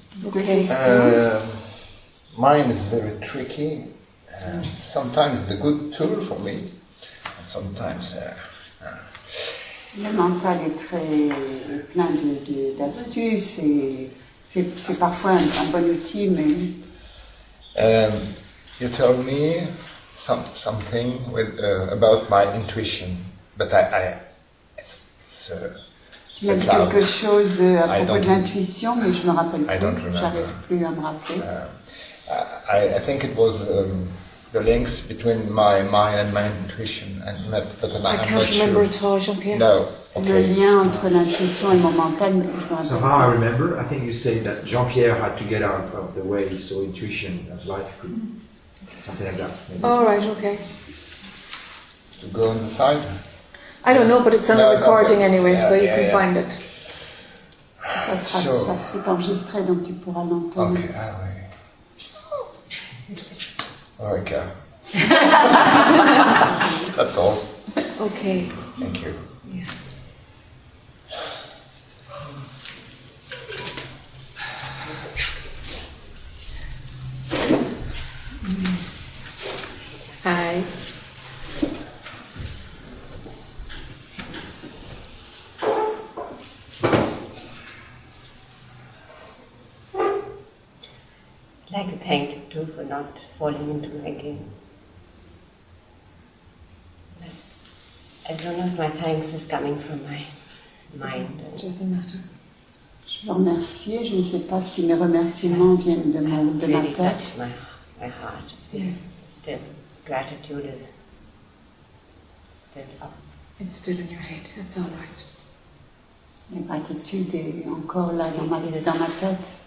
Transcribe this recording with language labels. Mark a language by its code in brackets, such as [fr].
[en] Mine is very tricky, and sometimes the good tool for me, and sometimes. [fr] Le mental est très plein de d'astuces et c'est parfois un bon outil, mais. [en] You told me something with about my intuition, but I it's a. [fr] Il y a quelque chose à propos de l'intuition, mais je ne me rappelle plus. J'arrive plus à me rappeler. [en] I think it was the links between my mind and my intuition, and but I'm not sure. I can't remember at all, Jean-Pierre. No. Okay. [fr] Le lien entre l'intuition et mon mental, je ne me rappelle plus. [en] Somehow I remember. I think you said that Jean-Pierre had to get out of the way he saw intuition of life, could, something like that. Maybe. All right. Okay. To go on the side. I don't know, but it's on the recording anyway, so you can find it. [fr] Ça sera, so, ça s'est enregistré, donc tu pourras l'entendre. [en] Okay, [fr] ah oui. [en] Okay. That's all. Okay. Thank you. Yeah. Hi. I'd like to thank you too for not falling into my game. But I don't know if my thanks is coming from my mind. It doesn't matter. [fr] Je vous remercie. Je ne sais pas si mes remerciements viennent de ma tête. [en] Really touched my heart. Yes. Still, gratitude is still up. It's still in your head. It's all right. [fr] La gratitude est encore là dans ma tête.